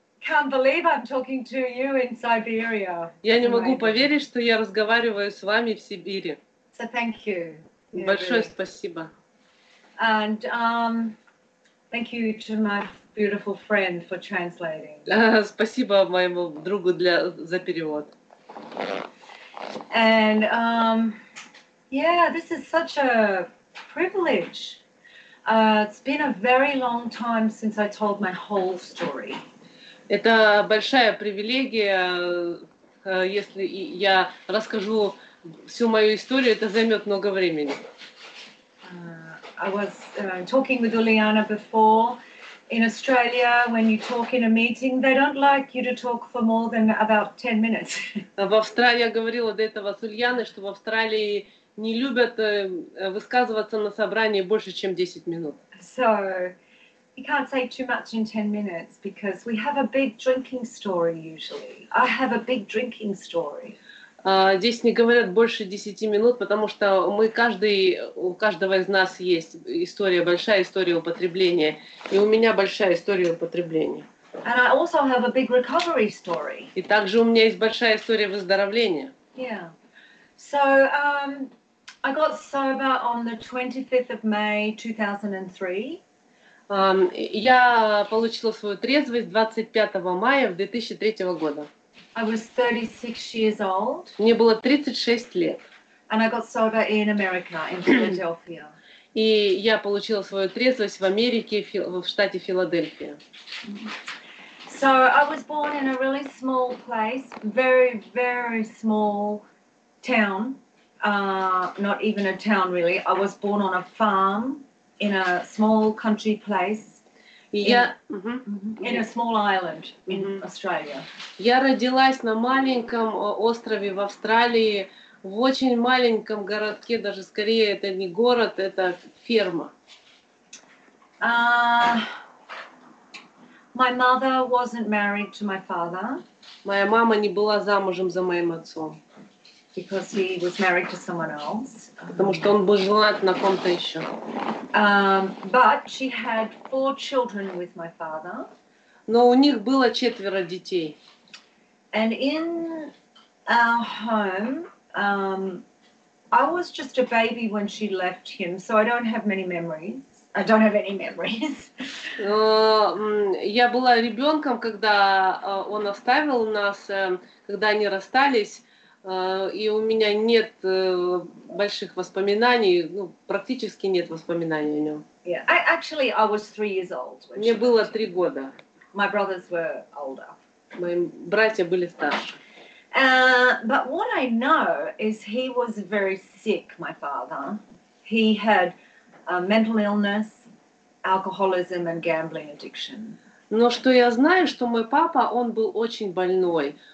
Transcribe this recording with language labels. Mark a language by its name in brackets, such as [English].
[English] Can't believe I'm talking to you in Siberia. [Russian] Я не могу поверить, что я разговариваю с вами в Сибири. [English] So thank you. [Russian] Большое спасибо. [English] And thank you to my beautiful friend for translating. [Russian] Спасибо моему другу за перевод. [English] And this is such a privilege. It's been a very long time since I told my whole story. [Russian] Это большая привилегия, если я расскажу всю мою историю, это займет много времени. [English] I was talking with Uliana before. In Australia, when you talk in a meeting, they don't like you to talk for more than about 10 minutes. [Russian] В Австралии я говорила до этого с Ульяной, что в Австралии не любят высказываться на собрании больше, чем 10 минут. [English] So, you can't say too much in 10 minutes, because we have a big drinking story usually. I have a big drinking story. [Russian] Здесь не говорят больше 10 минут, потому что у каждого из нас есть история, большая история употребления, и у меня большая история употребления. [English] And I also have a big recovery story. [Russian] И также у меня есть большая история выздоровления. [English] Yeah. So, I got sober on the 25th of May 2003. [Russian] Я получила свою трезвость 25 мая 2003 года. [English] I was 36 years old. [Russian] Мне было 36 лет. [English] And I got sober in America, in Philadelphia. [Russian] И я получила свою трезвость в Америке, в штате Филадельфия. [English] So I was born in a really small place, very, very small town. Not even a town, really. I was born on a farm in a small country place. In a small island in Australia. [Russian] Я родилась на маленьком острове в Австралии, в очень маленьком городке, даже скорее это не город, это ферма. [English] My mother wasn't married to my father. [Russian] Моя мама не была замужем за моим отцом. [English] Because he was married to someone else. [Russian] Потому что он был женат на ком-то еще. [English] But she had four children with my father. [Russian] Но у них было четверо детей. [English] And in our home, I was just a baby when she left him, so I don't have many memories. I don't have any memories. [Russian] Я была ребенком, когда он оставил нас, когда они расстались. И у меня нет больших воспоминаний, ну, практически нет воспоминаний о нем. [English] Yeah. Actually, I was 3 years old. [Russian] Мне было 3 года. [English] My brothers were older. [Russian] Мои братья были старше. [English] But what I know is he was very sick, my father. He had a mental illness, alcoholism and gambling addiction. [Russian] Но что я знаю, что мой папа, он был очень больной.